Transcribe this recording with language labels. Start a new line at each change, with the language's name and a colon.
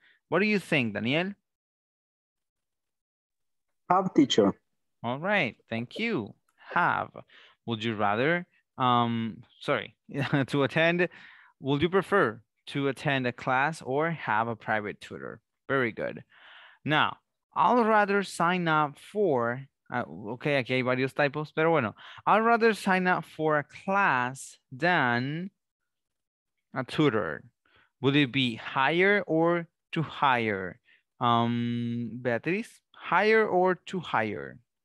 English: What do you think, Daniel? Have, teacher. All right, thank you. Have. Would you rather, to attend, would you prefer to attend a class or have a private tutor? Very good. Now, I'll rather sign up for,
Spanish: aquí hay varios typos, pero bueno.
English: I'd rather sign up for a class than a tutor. Would it be higher or to hire? Beatriz, higher or to hire?